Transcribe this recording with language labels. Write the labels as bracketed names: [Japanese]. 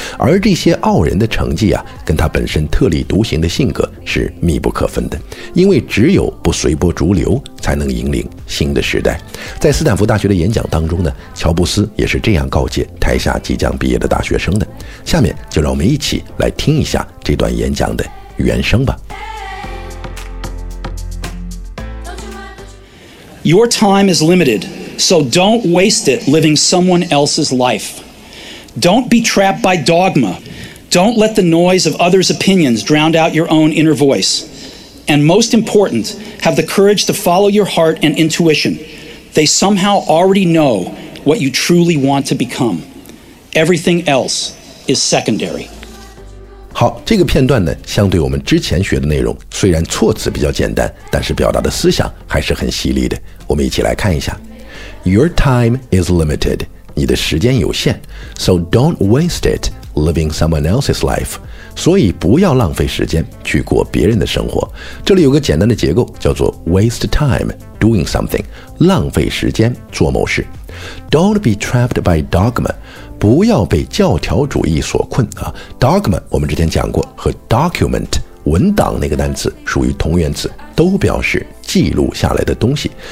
[Chinese] 而这些傲人的成绩啊，跟他本身特立独行的性格是密不可分的，因为只有不随波逐流才能引领新的时代。在斯坦福大学的演讲当中呢，乔布斯也是这样告诫台下即将毕业的大学生的。下面就让我们一起来听一下这段演讲的原声吧。 [English] Your time is limited, so don't waste it living someone else's life. Don't be trapped by dogma. Don't let the noise of others' opinions drown out your own inner voice. And most important, have the courage to follow your heart and intuition. They somehow already know what you truly want to become. Everything else is secondary. [Chinese] 好，这个片段呢，相对我们之前学的内容，虽然措辞比较简单，但是表达的思想还是很犀利的。我们一起来看一下。 [English] Your time is limited. [Chinese] 你的时间有限。 [English] So don't waste it living someone else's life. [Chinese] 所以不要浪费时间去过别人的生活。这里有个简单的结构，叫做 [English] waste time doing something, [Chinese] 浪费时间做某事。 [English] Don't be trapped by dogma. [Chinese] 不要被教条主义所困啊 ！Dogma 我们之前讲过，和 document 文档那个单词属于同源词，都表示记录下来的东西。